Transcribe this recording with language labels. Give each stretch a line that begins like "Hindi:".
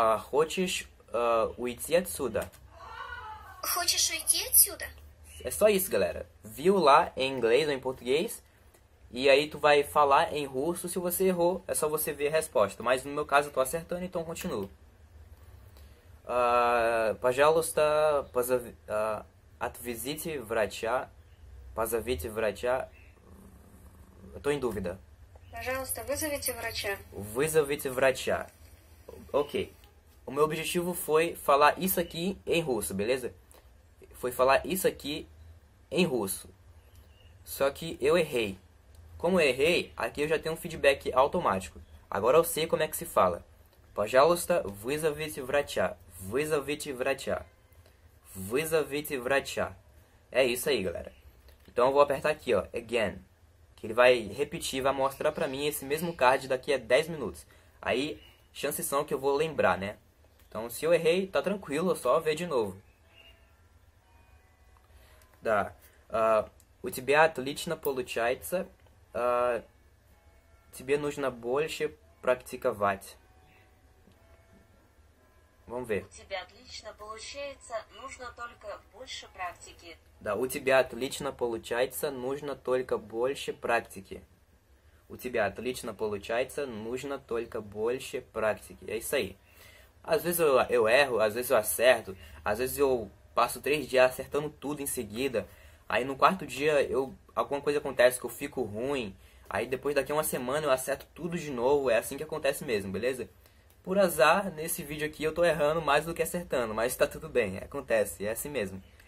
Russian: Хочешь уйти отсюда? Хочешь уйти отсюда?
Portuguese: É só isso, galera. Viu lá em inglês ou em português? E aí tu vai falar em russo. Se você errou, é só você ver a resposta. Mas no meu caso eu tô acertando, então continuo.
Russian: Пожалуйста, отвезите врача. Позовите врача.
Portuguese: Eu tô em dúvida.
Russian: Пожалуйста, вызовите врача. Вызовите врача.
Portuguese: Ok. O meu objetivo foi falar isso aqui em russo, beleza? Foi falar isso aqui em russo. Só que eu errei. Como eu errei, aqui eu já tenho um feedback automático. Agora eu sei como é que se fala.
Russian: Пожалуйста, вызовите врача. Вызовите врача. Вызовите врача.
Portuguese: É isso aí, galera. Então eu vou apertar aqui, ó, again. Que ele vai repetir, vai mostrar pra mim esse mesmo card daqui a 10 minutos. Aí, chances são que eu vou lembrar, né? Então, se eu errei, tá tranquilo, só ver de novo.
Russian: Да. У тебя отлично получается. Тебе нужно больше практиковать.
Portuguese: Vamos ver.
Russian: У тебя отлично получается, нужно только больше практики. Да, у тебя отлично получается, нужно только больше практики. У тебя отлично получается, нужно только больше практики.
Portuguese: É isso aí. Às vezes eu erro, às vezes eu acerto, às vezes eu passo 3 dias acertando tudo em seguida. Aí no quarto dia alguma coisa acontece que eu fico ruim. Aí depois daqui a uma semana eu acerto tudo de novo. É assim que acontece mesmo, beleza? Por azar, nesse vídeo aqui eu tô errando mais do que acertando, mas tá tudo bem, acontece, é assim mesmo.